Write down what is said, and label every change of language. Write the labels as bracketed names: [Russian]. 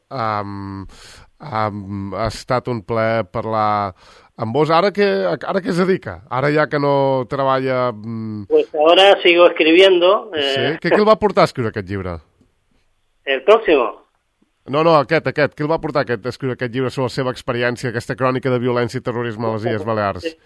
[Catalan] Ha estat un plaer parlar amb vos. Ara què es dedica? Ara ja que no treballa... [Spanish] Pues ahora sigo escribiendo. [Catalan] Sí? Què el va portar a escriure aquest llibre? [Spanish] El próximo. [Catalan] No, aquest. Què el va portar a escriure aquest llibre sobre la seva experiència, aquesta crònica de violència i terrorisme a les Illes Balears?